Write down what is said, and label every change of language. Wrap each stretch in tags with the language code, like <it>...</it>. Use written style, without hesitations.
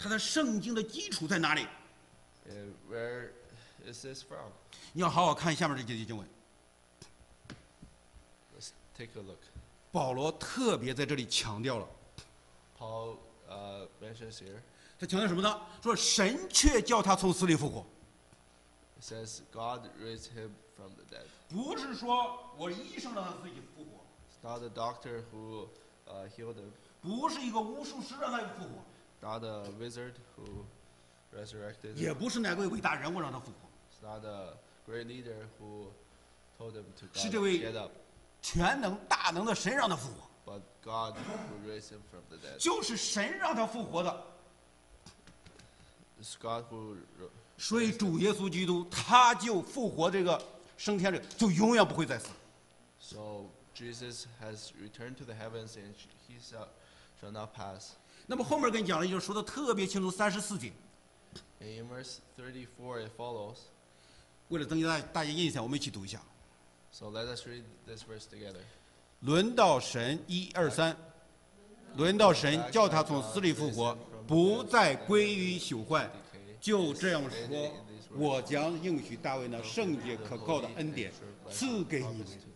<zh>他的圣经的基础在哪里</zh> <en>？And where is this from?</en> <zh>你要好好看下面这几节经文。</zh> <en>Let's take a look.</en> <zh>保罗特别在这里强调了。</zh> <en>Paul mentions here.</en> <zh>他强调什么呢？说神却叫他从死里复活。</zh> <en>It says God raised him from the dead.</en> <zh>不是说我医生让他自己复活。</zh> <en>It's not a doctor who healed him.</en> <zh>不是一个巫术师让他复活</zh> <en>，Not a wizard who resurrected，</en> <zh>也不是哪位伟大人物让他复活</zh> <en>，It's not a great leader who told him to get up，</en> <zh>是这位全能大能的神让他复活</zh> <en>But God who raised him from the dead.</en> <zh>就是神让他复活的。</zh> <en>It's God who.</en> <zh>所以主耶稣基督他就复活，这个升天者就永远不会再死。</zh> <en>So Jesus has returned to the heavens and he shall not pass.</en> <zh>那么后面跟你讲了，就说的特别清楚，三十四节。</zh> <en>In verse 34 it follows.</en> <zh>为了增加大家印象，我们一起读一下。</zh> <en>So let us read this verse together.</en> <zh>轮到神一二三，轮到神叫他从死里复活，不再归于朽坏，就这样说，我将应许大卫那圣洁可靠的恩典赐给你们。</zh>